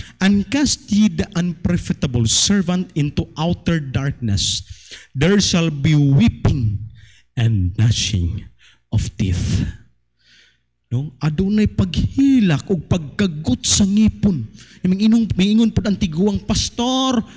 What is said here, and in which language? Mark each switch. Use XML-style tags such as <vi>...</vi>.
<en>And cast ye the unprofitable servant into outer darkness, there shall be weeping and gnashing of teeth. No?</en> <ceb>Adunay paghilak o pagkagot sa ngipon. Inong, may ingon po ang tiguang pastor.</ceb>